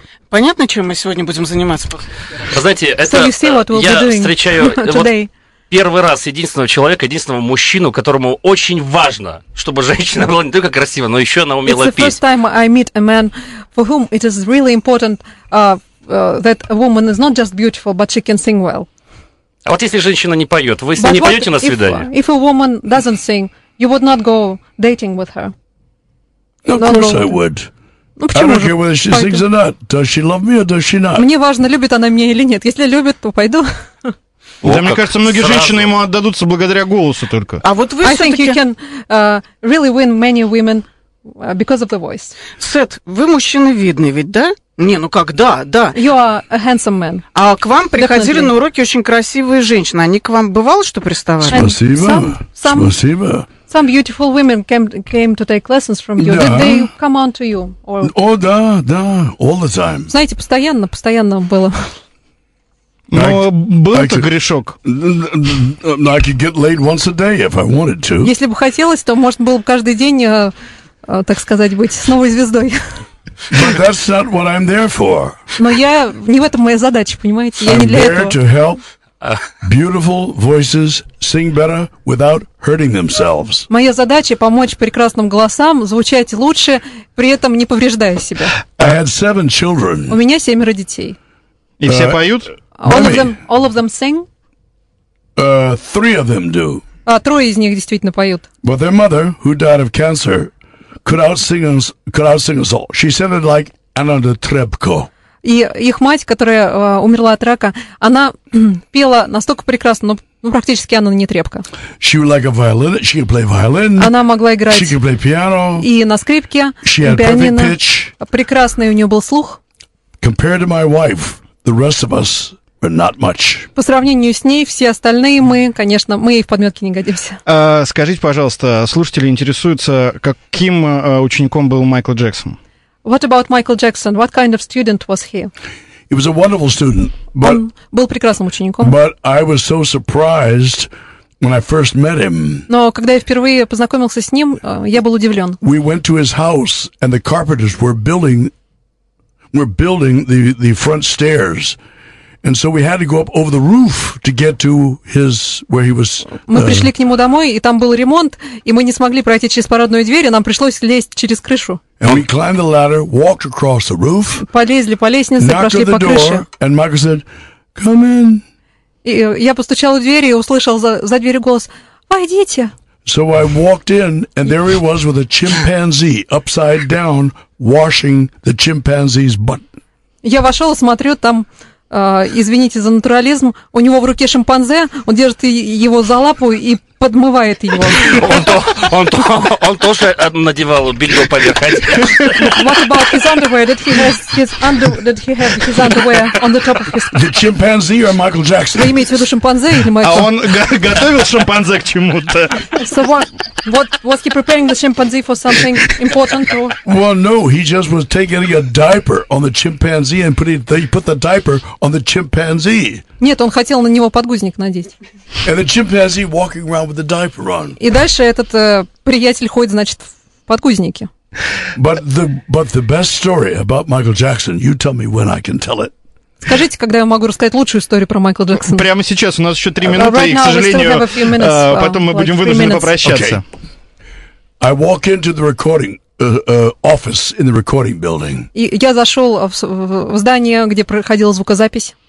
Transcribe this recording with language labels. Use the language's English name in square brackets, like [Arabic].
[Russian] Понятно, чем мы сегодня будем заниматься? Знаете, это я встречаю первый раз единственного человека, единственного мужчину, которому очень важно, чтобы женщина была не только красива, но еще она умела петь. [English] It's the first time I meet a man for whom it is really important that a woman is not just beautiful, but she can sing well. [Russian] А вот если женщина не поет, вы с ней не поете на свидание? [English] If a woman doesn't sing, you would not go dating with her. Of course I would. [Russian] Почему? [English] I don't care whether she sings or not. Does she love me or does she not? [Russian] Мне важно, любит она меня или нет. Если любит, то пойду. Да, мне кажется, многие женщины ему отдадутся благодаря голосу только. А вот вы [English] I think you can really win many women because of the voice. [Russian] Сет, вы мужчина видный ведь, да? Не, ну как, да. [English] You are a handsome man. [Russian] А к вам приходили на уроки очень красивые женщины. Они к вам бывало, что приставали? Спасибо. Спасибо. [English] Some beautiful women came to take lessons from you. Did they come on to you? [Russian] О, да, [English] all the time. [Russian] Знаете, постоянно было. Но был это грешок. [English] I could get laid once a day if I wanted to. [Russian] Если бы хотелось, то можно было бы каждый день, так сказать, быть с новой звездой. [English] But that's not what I'm there for. [Russian] Но я не в этом моя задача, понимаете? Я не для этого. [English] I'm there to help beautiful voices sing better without hurting themselves. [Russian] Моя задача — помочь прекрасным голосам звучать лучше, при этом не повреждая себя. [English] I had seven children. [Russian] У меня семеро детей. И все поют? [English] All of them sing? Three of them do. [Russian] А трое из них действительно поют. [English] But their mother, who died of cancer, could outsing us all. She sounded like Anna Trebko. [Russian] И их мать, которая умерла от рака, она пела настолько прекрасно, но практически она не Трепка. [English] She would like a violin. She could play violin. [Russian] Она могла играть. [English] She could play piano. [Russian] И на скрипке. [English] She had [Russian] пианино. [English] Perfect pitch. [Russian] Прекрасный у нее был слух. [English] Compared to my wife, the rest of us were not much. [Russian] По сравнению с ней, все остальные мы, конечно, мы ей в подметки не годимся. Скажите, пожалуйста, слушатели интересуются, каким учеником был Майкл Джексон? [English] What about Michael Jackson? What kind of student was he? He was a wonderful student, but [Russian] он был прекрасным учеником. [English] But I was so surprised when I first met him. [Russian] Но когда я впервые познакомился с ним, я был удивлен. [English] We went to his house, and the carpenters were building the front stairs, and so we had to go up over the roof to get to his where he was. [Russian] Мы пришли к нему домой, и там был ремонт, и мы не смогли пройти через парадную дверь, и нам пришлось лезть через крышу. [English] And we climbed the ladder, walked across the roof. [Russian] Полезли по лестнице, прошли по крыше. [English] And Michael said, "Come in." [Russian] И я постучал в дверь и услышал за дверью голос: "Войдите." [English] So I walked in, and there he was with a chimpanzee upside down washing the chimpanzee's butt. [Russian] Я вошел, смотрю, там, извините за натурализм, у него в руке шимпанзе, он держит его за лапу и подмывает его. Он тоже надевал белье поверх одежды. [English] What about his underwear? Did he have his underwear on the top of his? The chimpanzee or Michael Jackson? [Russian] Вы имеете в виду шимпанзе или Майкл? А он готовил шимпанзе к чему-то? [English] So what was he preparing the chimpanzee for something important? Well, no, he just was taking a diaper on the chimpanzee and put the diaper on the chimpanzee. [Russian] Нет, он хотел на него подгузник надеть. [English] And the chimpanzee walking around with the diaper on. [Russian] И дальше этот приятель ходит, значит, в подгузнике. [English] But the best story about Michael Jackson, you tell me when I can tell it. [Russian] Скажите, когда я могу рассказать лучшую историю про Майкла Джексона? Прямо сейчас, у нас еще три минуты, [English] right [Russian] и, к сожалению, [English] minutes, [Russian] потом мы [English] like [Russian] будем вынуждены [English] minutes. [Russian] Попрощаться. [English] Okay. I walk into the recording office in the recording building. [Russian] И я зашел в здание, где проходила звукозапись.